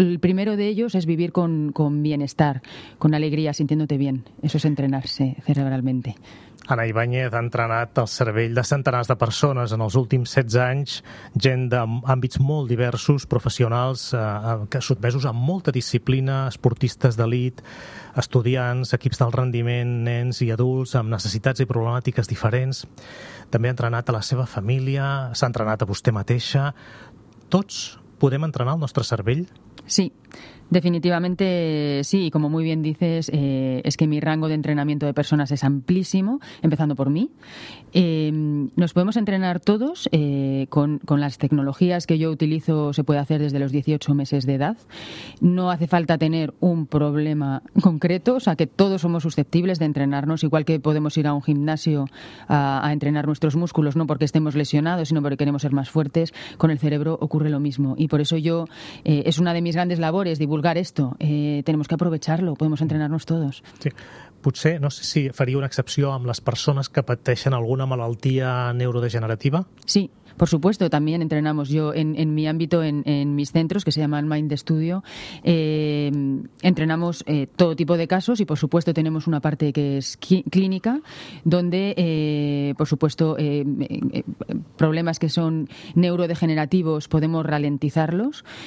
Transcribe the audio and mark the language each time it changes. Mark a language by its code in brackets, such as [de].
[es] El primero de ellos es vivir con bienestar, con alegría, sintiéndote bien. Eso es entrenarse cerebralmente. [ca] Anna Ibáñez ha entrenat el cervell de centenars de persones en els últims 16 anys, gent d'àmbits molt diversos, professionals, que sotmesos a molta disciplina, esportistes d'elit, estudiants, equips d'alt rendiment, nens i adults amb necessitats i problemàtiques diferents. També ha entrenat a la seva família, s'ha entrenat a vostè mateixa. Tots podem entrenar el nostre cervell? [es] Sí. Definitivamente sí, y como muy bien dices, es que mi rango de entrenamiento de personas es amplísimo, empezando por mí. Nos podemos entrenar todos con las tecnologías que yo utilizo, se puede hacer desde los 18 meses de edad. No hace falta tener un problema concreto, o sea que todos somos susceptibles de entrenarnos, igual que podemos ir a un gimnasio a entrenar nuestros músculos, no porque estemos lesionados, sino porque queremos ser más fuertes. Con el cerebro ocurre lo mismo, y por eso yo, es una de mis grandes labores, divulgar esto, tenemos que aprovecharlo, podemos entrenarnos todos. Sí. [ca] Potser, no sé si faria una excepció amb les persones que pateixen alguna malaltia neurodegenerativa. [es] Sí. Por supuesto, también entrenamos yo en mi ámbito, en mis centros, que se llaman Mind Studio, entrenamos todo tipo de casos y, por supuesto, tenemos una parte que es clínica, donde, por supuesto, problemas que son neurodegenerativos podemos ralentizarlos.